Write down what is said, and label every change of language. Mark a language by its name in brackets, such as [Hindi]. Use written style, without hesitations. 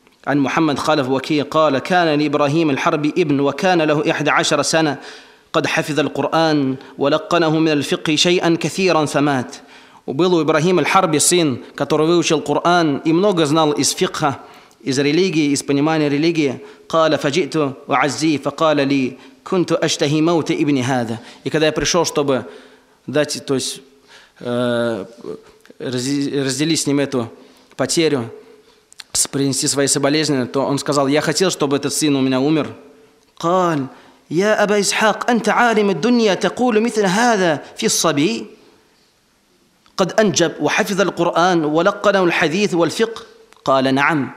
[Arabic] Ан Мухаммад Халиф Ваки قال كان لإبراهيم الحربي ابن وكان له 11 سنة قد حفظ القرآن ولقنه من الفقه شيئا كثيرا فمات. [Russian] Был у Ибрахима аль-Харби сын, который выучил Коран и много знал из фикха, из религии, из понимания религии. [Arabic] قال فجئت وعزي فقال لي كنت أشتهي موت ابن هذا. [Russian] И когда я пришел, чтобы дать, то есть разделить с ним эту потерю, принести свои соболезнования, то он сказал: «Я хотел, чтобы этот сын у меня умер». [Arabic] قَالَ يَا أَبَا إِسْحَاقَ أَنْتَ عَالِمُ الدُّنْيَا تَقُولُ مِثْلَ هَذَا فِي الصَّبِيِّ قَدْ أَنْجَبْ وَحَفِظَ الْقُرْآنَ وَلَقَّنَهُ الْحَدِيثُ وَالْفِقْهُ قَالَ نَعَمْ.